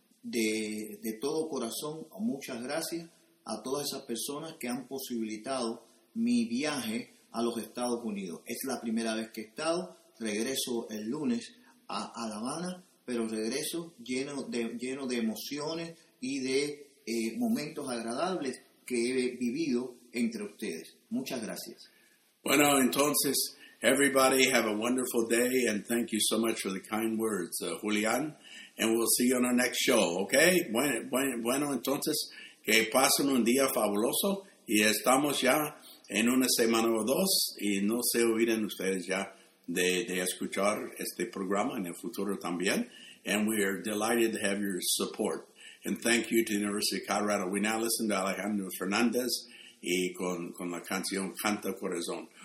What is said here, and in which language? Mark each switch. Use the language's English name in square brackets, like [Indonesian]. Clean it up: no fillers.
[Spanish] De todo corazón, muchas gracias a todas esas personas que han posibilitado mi viaje a los Estados Unidos. Es la primera vez que he estado, regreso el lunes a La Habana, pero regreso lleno de emociones y de momentos agradables que he vivido entre ustedes. Muchas gracias. Bueno, entonces, [English] everybody have a wonderful day and thank you so much for the kind words, Julian. And we'll see you on our next show, okay? [Spanish] Bueno, entonces, que pasen un día fabuloso. Y estamos ya en una semana o dos. Y no se olviden ustedes ya de escuchar este programa en el futuro también. [English] And we are delighted to have your support. And thank you to the University of Colorado. We now listen to Alejandro Fernandez [Spanish] y con la canción [English] Canta Corazón.